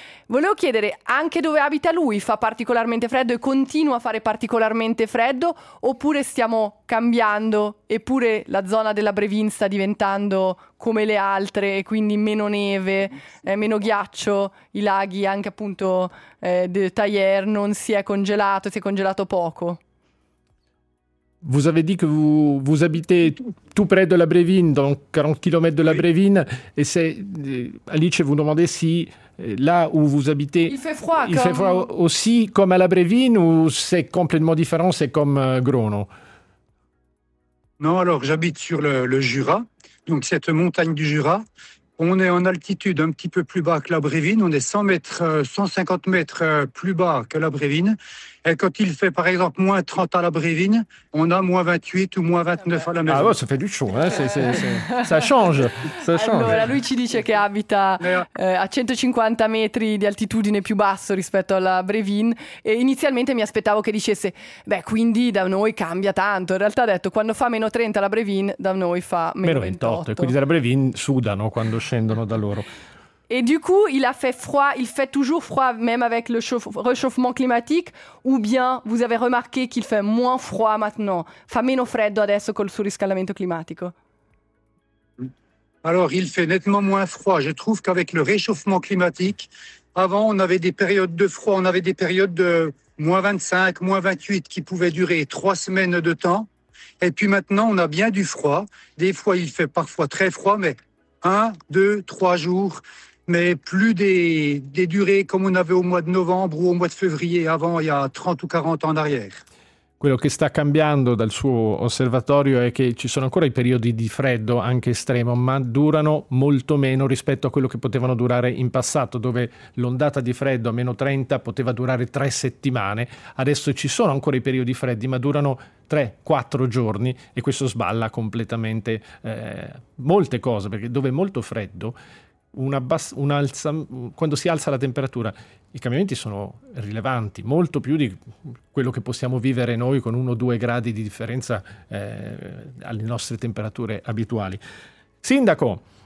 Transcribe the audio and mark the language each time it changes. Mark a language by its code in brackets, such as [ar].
[it] Volevo chiedere anche dove abita lui, fa particolarmente freddo e continua a fare particolarmente freddo, oppure stiamo cambiando, eppure la zona della Brévine sta diventando come le altre, e quindi meno neve, meno ghiaccio, i laghi anche appunto de Tailleur non si è congelato, si è congelato poco. [fr] Vous avez dit que vous habitez tout près de la Brévine, donc 40 km de la Brévine, et c'est Alice, vous demandez si là où vous habitez, il fait froid aussi comme à la Brévine ou c'est complètement différent, c'est comme Grono? Non, alors j'habite sur le Jura, donc cette montagne du Jura. On est en altitude un petit peu plus bas que la Brévine, on est 100 mètres, 150 mètres plus bas que la Brévine. Et quand il fait par exemple moins 30 à la Brévine, on a moins 28 ou moins 29 à la maison. Ah ouais, ça fait du chaud, hein? Ça change. Ça change. [it] Allora, lui ci dice che abita a 150 metri di altitudine più basso rispetto alla Brévine. E inizialmente mi aspettavo che dicesse, beh, quindi da noi cambia tanto. In realtà ha detto, quando fa meno 30 la Brévine, da noi fa meno 28. E quindi dalla Brévine sudano quando scendono da loro. [fr] Et du coup, il a fait froid, il fait toujours froid, même avec le réchauffement climatique, ou bien vous avez remarqué qu'il fait moins froid maintenant, [it] fa meno freddo adesso col surriscaldamento climatico? [fr] Alors, il fait nettement moins froid. Je trouve qu'avec le réchauffement climatique, avant, on avait des périodes de froid, on avait des périodes de moins 25, moins 28 qui pouvaient durer 3 semaines de temps. Et puis maintenant, on a bien du froid. Des fois, il fait parfois très froid, mais 1, 2, 3 jours. Mais plus des durées comme on avait au mois de novembre ou au mois de février avant, il y a 30 ou 40 ans en arrière. [it] Quello che sta cambiando dal suo osservatorio è che ci sono ancora i periodi di freddo, anche estremo, ma durano molto meno rispetto a quello che potevano durare in passato, dove l'ondata di freddo a meno 30 poteva durare 3 settimane. Adesso ci sono ancora i periodi freddi, ma durano 3-4 giorni e questo sballa completamente molte cose, perché dove è molto freddo, quando si alza la temperatura, i cambiamenti sono rilevanti, molto più di quello che possiamo vivere noi con 1 o 2 gradi di differenza alle nostre temperature abituali. Sindaco,